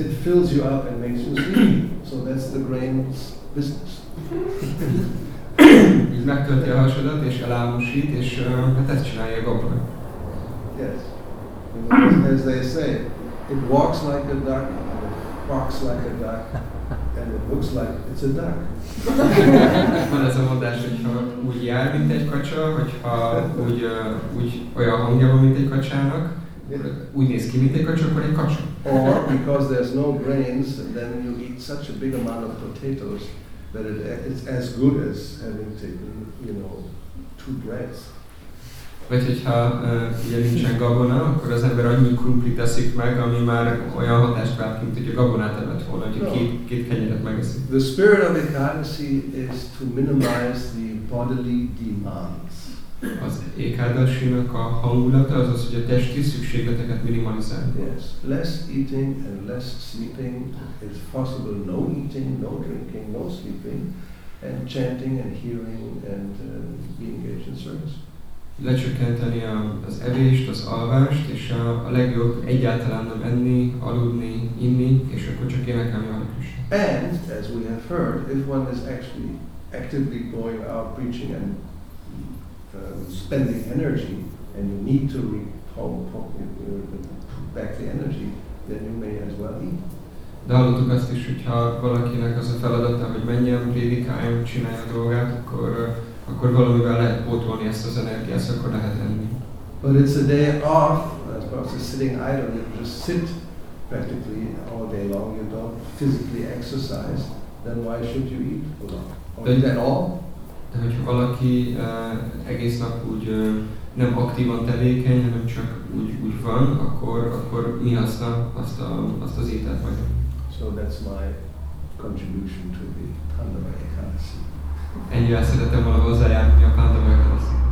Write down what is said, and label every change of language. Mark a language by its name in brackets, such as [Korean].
[English] it fills you up and makes you sleepy. So that's the grain's business. [Hungarian] Így megtölti a hasadat és elálmosít, és hát ezt csinálja a gabona. [English] Yes. As they say, it walks like a duck, and it walks like a duck, and it looks like it's a duck. [Hungarian] Van ez a mondás, hogyha úgy jár, mint egy kacsa, hogyha úgy olyan hangja van, mint egy kacsának, yeah. Úgy néz ki, mint egy kacsa, akkor egy kacsa. [English] Or because there's no grains, then you eat such a big amount of potatoes that it's as good as having taken, you know, two breads. [Hungarian] Vagy hogyha ugye nincsen gabona, akkor az ember annyi krumplit eszik meg, ami már olyan hatást vált, mint hogy a gabonát evett volna, hogy két kenyeret megeszik. [English] The spirit of Ekadasi is to minimize the bodily demands. [Hungarian] Az Ekadasinak a hangulata az, hogy a testi szükségleteket minimalizálni. [English] Yes. Less eating and less sleeping. It's possible no eating, no drinking, no sleeping, and chanting and hearing and being engaged in service. [Hungarian] Lecsökkenteni az evést, az alvást, és a legjobb egyáltalán nem enni, aludni, inni, és akkor csak énekelni a Krisnát. [English] And, as we have heard, if one is actually actively going out preaching and spending energy, and you need to put back the energy, then you may as well eat. [Hungarian] De hallottuk azt is, hogyha valakinek az a feladata, hogy menjen, prédikáljon, csinálja a dolgát, akkor valamivel lehet pótolni ezt az energiát, ezt akkor lehet enni. [English] But it's a day off, as opposed to sitting idle, you just sit practically all day long, you don't physically exercise, then why should you eat or eat at all? [Hungarian] De hogyha valaki egész nap úgy nem aktívan tevékeny, hanem csak úgy van, akkor mi azt az ételt vagy? [English] So that's my contribution to the Pandava Ekadasi. [Hungarian] Ennyi elszeretem volna hozzájárni a Pandava Ekadasi.